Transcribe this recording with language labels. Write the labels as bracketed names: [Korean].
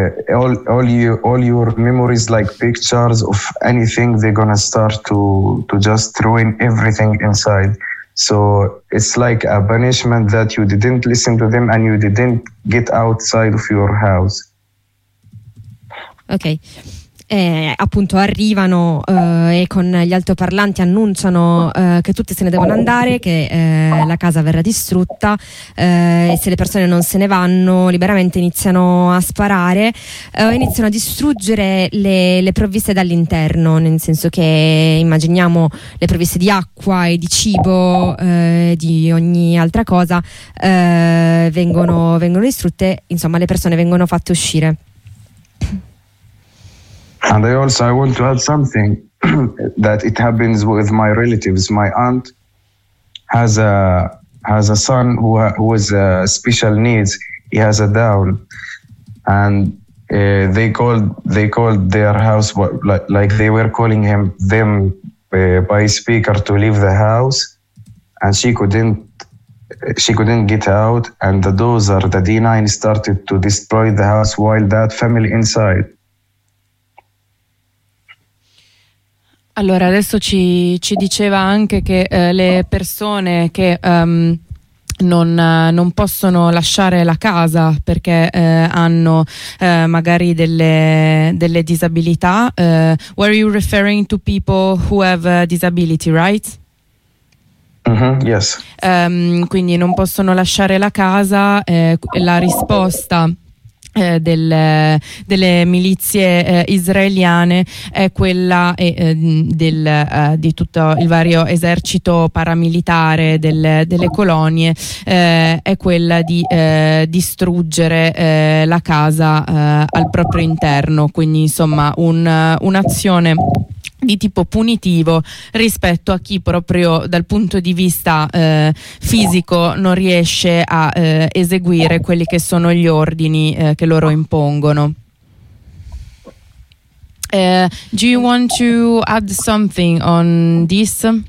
[English] All your memories, like pictures of anything, they're gonna start to just ruin everything inside. So it's like a punishment that you didn't listen to them and you didn't get outside of your house. Okay. [Italian] Appunto arrivano e con gli altoparlanti annunciano che tutti se ne devono andare, che la casa verrà distrutta, e se le persone non se ne vanno liberamente iniziano a sparare, iniziano a distruggere le provviste dall'interno, nel senso che immaginiamo le provviste di acqua e di cibo, di ogni altra cosa, vengono distrutte, insomma le persone vengono fatte uscire. [English] And I want to add something that it happens with my relatives. My aunt has a son who has special needs. He has a Down, and they called their house like they were calling them by speaker to leave the house, and she couldn't get out. And the dozer, the D9, started to destroy the house while that family inside. [Italian] Allora, adesso ci diceva anche che le persone che non possono lasciare la casa perché hanno magari delle disabilità. [English] Were you referring to people who have a disability, right? Mm-hmm, yes. [Italian] Quindi non possono lasciare la casa, la risposta delle milizie israeliane è quella di tutto il vario esercito paramilitare delle colonie, è quella di distruggere la casa al proprio interno, quindi insomma un'azione di tipo punitivo rispetto a chi proprio dal punto di vista fisico non riesce a eseguire quelli che sono gli ordini che loro impongono. [English] Do you want to add something on this?